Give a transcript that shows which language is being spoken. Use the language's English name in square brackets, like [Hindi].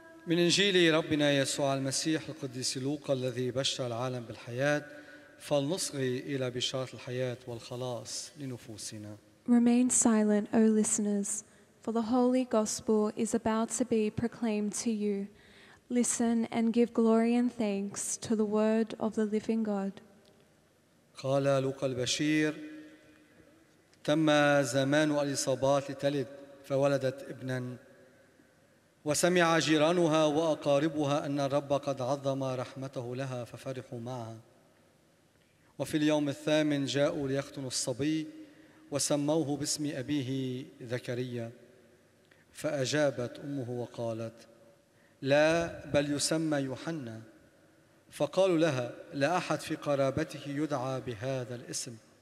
[Arabic] من إنجيل ربنا يسوع المسيح القديس لوقا الذي بشر العالم بالحياة فلنصغي إلى بشارة الحياة والخلاص لنفوسنا. [English] Remain silent, O listeners, for the Holy Gospel is about to be proclaimed to you. Listen and give glory and thanks to the word of the living God. [Arabic] قال لوقا البشير تم زمان الإصابات لتلد فولدت ابنا وسمع جيرانها وأقاربها أن الرب قد عظم رحمته لها ففرحوا معها وفي اليوم الثامن جاءوا ليختنوا الصبي وسموه باسم أبيه ذكريا فأجابت أمه وقالت لا بل يسمى يوحنا فقالوا لها لا أحد في قرابته يدعى بهذا الاسم